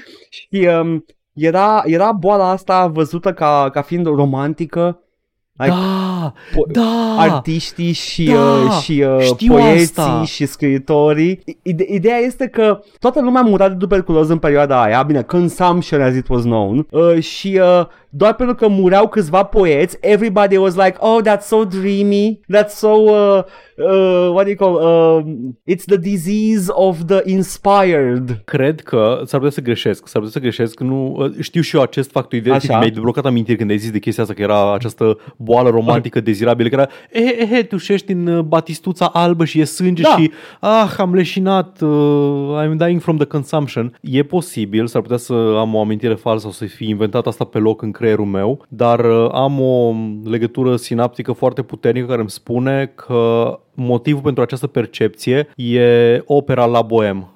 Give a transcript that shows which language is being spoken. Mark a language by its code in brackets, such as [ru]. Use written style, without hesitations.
[ro] Și era boala asta văzută ca fiind romantică. Like, da, da! Artiștii și, da, și poeții asta. Și scriitorii. Ideea este că toată lumea a murat de tuberculoză în perioada aia. Bine, [en] consumption as it was known. [ro] Doar pentru că mureau câțiva poeți, [en] everybody was like, oh, that's so dreamy, that's so, what do you call, it's the disease of the inspired. [ro] Cred că s-ar putea să greșesc, nu, știu și eu acest fapt, ideea că mi-ai deblocat amintiri când ai zis de chestia asta, că era această boală romantică dezirabilă, că era, tușești în batistuța albă și e sânge, da. Și, ah, am leșinat, [en] I'm dying from the consumption. [ro] E posibil, s-ar putea să am o amintire falsă sau să fi inventat asta pe loc în creierul meu, dar am o legătură sinaptică foarte puternică care îmi spune că motivul pentru această percepție e opera La Bohème.